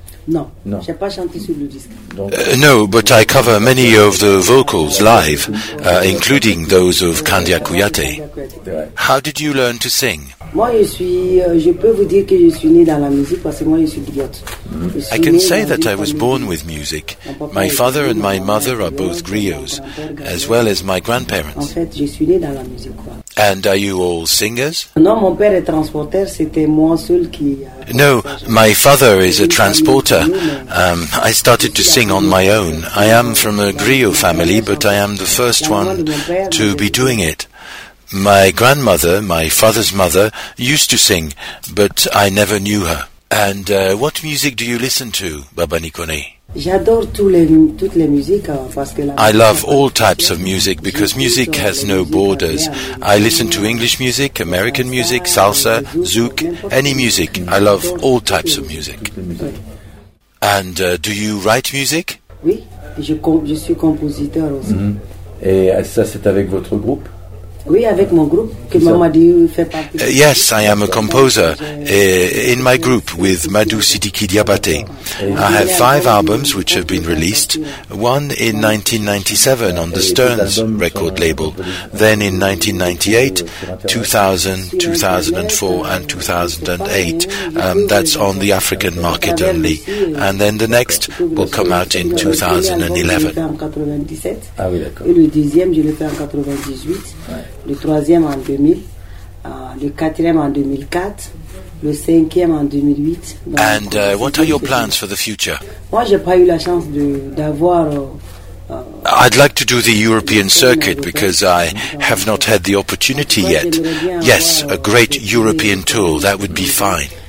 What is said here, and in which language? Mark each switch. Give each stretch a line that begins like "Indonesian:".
French: Non, j'ai pas chanté sur le disque.
English: No, but I cover many of the vocals live, including those of Kandia Kouyaté. How did you learn to sing?
French: Moi, je suis. Je peux vous dire que je suis né dans la musique parce que moi, je suis griot.
English: I can say that I was born with music. My father and my mother are both griots, as well as my grandparents.
French: En fait, je suis né dans la musique.
English: And are you all singers?
French: Non, mon père est transporteur. C'était moi seul qui.
English: No, my father is a transporter. I started to sing on my own. I am from a griot family, but I am the first one to be doing it. My grandmother, my father's mother, used to sing, but I never knew her. And what music do you listen to, Baba Nikone?
French: J'adore toutes les musiques parce que
English: I love all types of music because music has no borders. I listen to English music, American music, salsa, zouk, any music. I love all types of music. And do you write music?
French: Oui, je suis compositeur aussi. Et ça c'est avec votre groupe? Oui, avec mon groupe que Mama Di fait partie.
English: Yes, I am a composer in my group with Madou Sidiki Diabaté. I have 5 albums which have been released, one in 1997 on the Stern's record label, then in 1998, 2000, 2004 and 2008. That's on the African market only. And then the next will come out in 2011.
French: Ah oui, d'accord. Le deuxième, je l'ai fait en 98. Le troisième en 2000, le quatrième en 2004, le cinquième en 2008.
English: And what are your plans for the future?
French: Moi, j'ai pas eu la chance d'avoir.
English: I'd like to do the European circuit because I have not had the opportunity yet. Yes, a great European tour, that would be fine.